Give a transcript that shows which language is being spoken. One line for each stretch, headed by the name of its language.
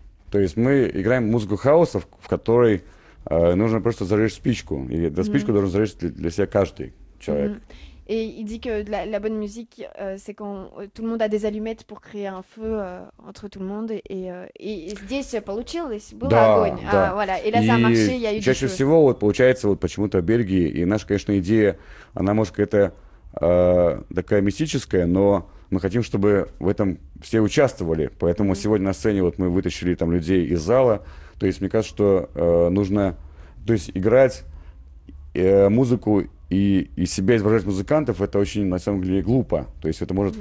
Russian: То есть мы играем музыку хаоса, в которой нужно просто зажечь спичку. И эту спичку должен зажечь для себя каждый человек.
French: Et il dit que la bonne musique, c'est quand tout le monde a des allumettes pour créer un feu entre tout le monde.
Russian: Et здесь получилось, был да, огонь. Да.
French: А, voilà. Et là, ça a marché, il y a eu
Russian: чаще всего вот, получается вот, почему-то в Бельгии. И наша, конечно, идея, она может какая-то такая мистическая, но мы хотим, чтобы в этом все участвовали. Поэтому mm-hmm. сегодня на сцене вот мы вытащили там людей из зала. То есть мне кажется, что нужно то есть, играть музыку и себя изображать музыкантов, это очень, на самом деле, глупо. То есть это может mm-hmm.